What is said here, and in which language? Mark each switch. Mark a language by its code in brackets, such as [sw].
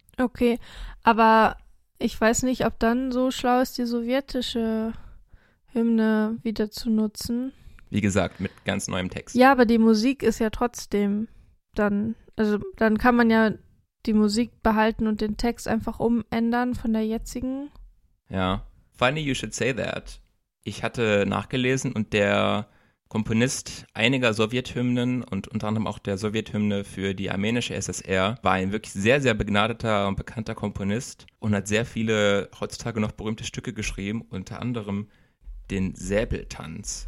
[de] Okay, aber ich weiß nicht, ob dann so schlau ist, die sowjetische Hymne wieder zu nutzen. Wie gesagt, mit ganz neuem Text. Ja, aber die Musik ist ja trotzdem dann, also dann kann man ja die Musik behalten und den Text einfach umändern von der jetzigen. [en] Ja, funny you should say that. [de] Ich hatte nachgelesen und der Komponist einiger Sowjethymnen und unter anderem auch der Sowjethymne für die armenische SSR war ein wirklich sehr, sehr begnadeter und bekannter Komponist und hat sehr viele heutzutage noch berühmte Stücke geschrieben, unter anderem den Säbeltanz.